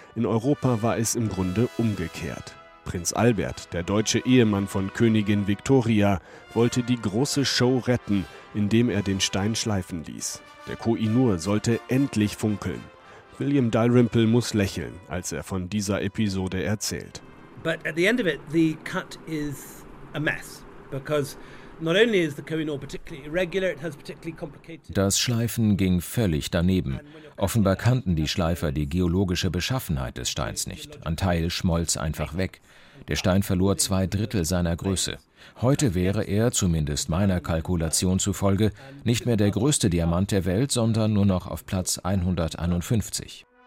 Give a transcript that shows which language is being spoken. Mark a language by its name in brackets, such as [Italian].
[German] In Europa war es im Grunde umgekehrt. Prinz Albert, der deutsche Ehemann von Königin Victoria, wollte die große Show retten, indem er den Stein schleifen ließ. Der Koh-i-Noor sollte endlich funkeln. William Dalrymple muss lächeln, als er von dieser Episode erzählt. [English] But at the end of it, the cut is a mess, because not only is the Koh-i-Noor particularly irregular, it has particularly complicated. [German] Das Schleifen ging völlig daneben. Offenbar kannten die Schleifer die geologische Beschaffenheit des Steins nicht. Ein Teil schmolz einfach weg. Der Stein verlor 2/3 seiner Größe. Heute wäre er, zumindest meiner Kalkulation zufolge, nicht mehr der größte Diamant der Welt, sondern nur noch auf Platz 151.